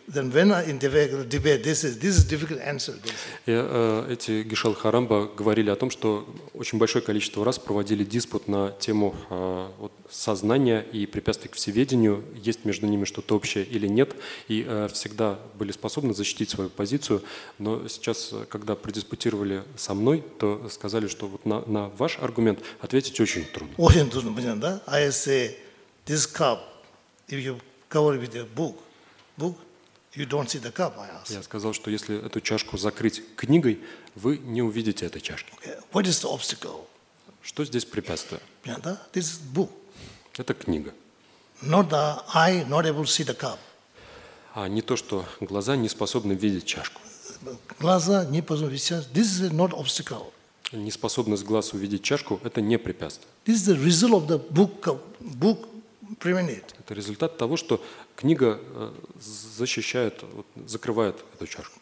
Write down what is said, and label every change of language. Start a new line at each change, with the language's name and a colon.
English: Then when in the debate, this is a difficult answer.
Russian: Эти Geshe Larampa говорили о том, что очень большое количество раз проводили диспут на тему сознания и препятствий к всеведению, есть между ними что-то общее или нет, и всегда были способны защитить свою позицию, но сейчас, когда продиспутировали со мной, то сказали, что на ваш аргумент ответить очень трудно. Очень трудно, понятно, да?
English: I say, this cup, if you cover it with a book, you don't see the cup, I ask.
Russian: Я сказал, что если эту чашку закрыть книгой, вы не увидите этой чашки.
English: Okay. What is the obstacle?
Russian: Что здесь препятствие? Понятно, да?
English: This is book.
Russian: Это книга.
English: Not the eye not able to see the cup.
Russian: А не то, что глаза не способны видеть чашку. Глаза не способны видеть чашку.
English: This is not obstacle.
Russian: Неспособность глаз увидеть чашку – это не препятствие.
English: This is the result of the book prevented.
Russian: Это результат того, что книга защищает, закрывает эту чашку.